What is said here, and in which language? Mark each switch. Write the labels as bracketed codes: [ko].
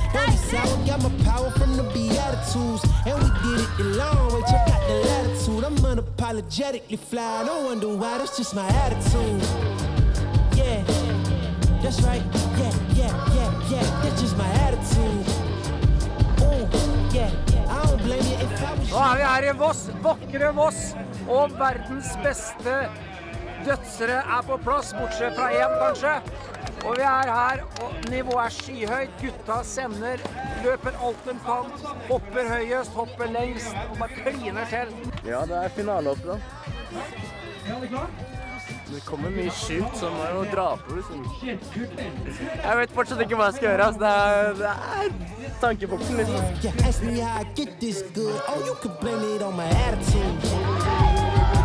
[en] Baby sour, got my power from the Beatitudes. And we did it the long way, check out the latitude. I'm unapologetically fly, no wonder why, that's just my attitude. Yeah, that's right, yeah, yeah, yeah, yeah, that's just my attitude. Ooh, yeah, I don't blame you if I was... [no] Nå vi her i Voss, vakre Voss, og verdens beste dødsere på plass, bortsett fra en kanskje. Og vi her, og nivået skyhøyt. Gutta sender, løper alt de kan, hopper høyest, hopper lengst, og bare kliner selv. Ja, det finalehopp da. Det kommer mye skjult, så man må dra på, liksom. Jeg vet fortsatt ikke hva jeg skal gjøre, altså. Det er tankepoppen, liksom. [en] Ask me how I get this good, oh, you can blame it on my attitude.